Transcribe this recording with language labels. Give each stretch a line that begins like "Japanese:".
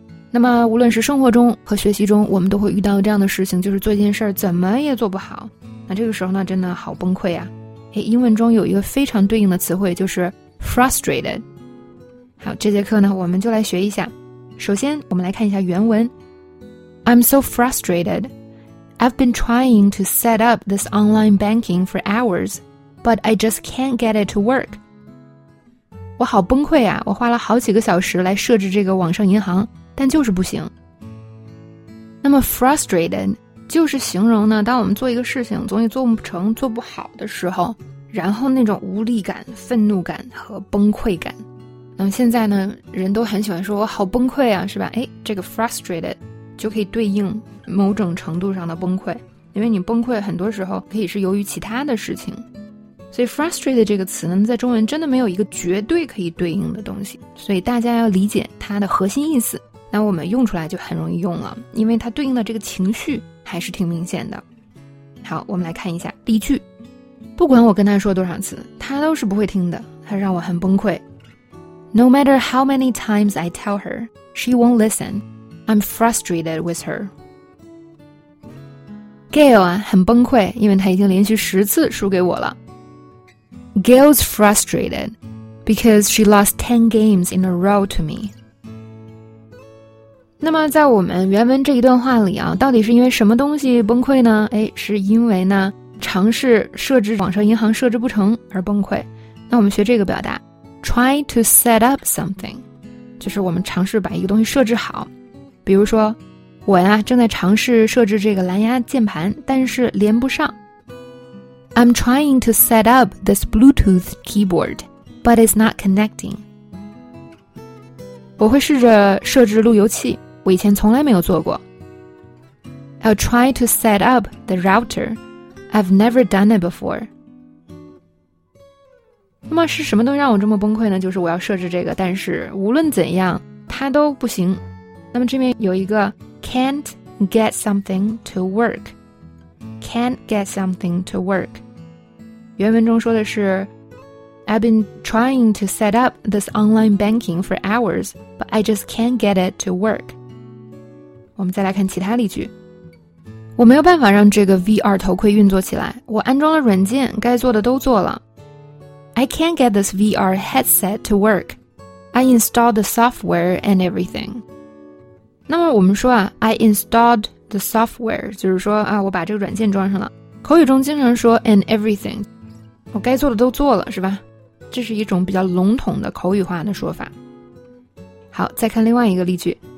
Chinese: 那么无论是生活中和学习中，我们都会遇到这样的事情，就是做一件事怎么也做不好，那这个时候呢真的好崩溃啊。英文中有一个非常对应的词汇，就是 frustrated。好，这节课呢我们就来学一下。首先我们来看一下原文。
English: I'm so frustrated. I've been trying to set up this online banking for hours, but I just can't get it to work.
Chinese: 我好崩溃啊，我花了好几个小时来设置这个网上银行，但就是不行。那么 frustrated 就是形容呢，当我们做一个事情总也做不成做不好的时候，然后那种无力感、愤怒感和崩溃感。那么现在呢，人都很喜欢说我好崩溃啊，是吧？哎，这个 frustrated 就可以对应某种程度上的崩溃，因为你崩溃很多时候可以是由于其他的事情。所以 frustrated 这个词呢，在中文真的没有一个绝对可以对应的东西，所以大家要理解它的核心意思，那我们用出来就很容易用了，因为它对应的这个情绪还是挺明显的。好，我们来看一下例句。不管我跟他说多少次，他都是不会听的，他让我很崩溃。
English: No matter how many times I tell her, she won't listen. I'm frustrated with her.
Chinese: Gail 啊，很崩溃，因为他已经连续十次输给我了。
English: Gail's frustrated because she lost 10 games in a row to me.
Chinese: 那么在我们原文这一段话里啊，到底是因为什么东西崩溃呢？哎，是因为呢尝试设置网上银行设置不成而崩溃。那我们学这个表达
English: try to set up something，
Chinese: 就是我们尝试把一个东西设置好。比如说我呀正在尝试设置这个蓝牙键盘，但是连不上。
English: I'm trying to set up this Bluetooth keyboard, but it's not connecting.
Chinese: 我会试着设置路由器，我以前从来没有做过。
English: I'll try to set up the router. I've never done it before.
Chinese: 那么是什么东西让我这么崩溃呢？就是我要设置这个，但是无论怎样，它都不行。那么这边有一个
English: can't get something to work. Can't get something to work.
Chinese: 原文中说的是
English: I've been trying to set up this online banking for hours, but I just can't get it to work.
Chinese: 我们再来看其他例句。我没有办法让这个 VR 头盔运作起来，我安装了软件，该做的都做了。
English: I can't get this VR headset to work. I installed the software and everything.
Chinese: 那么我们说啊
English: I installedthe software，
Chinese: 就是说啊，我把这个软件装上了。口语中经常说
English: and everything，
Chinese: 我该做的都做了，是吧？这是一种比较笼统的口语化的说法。好，再看另外一个例句。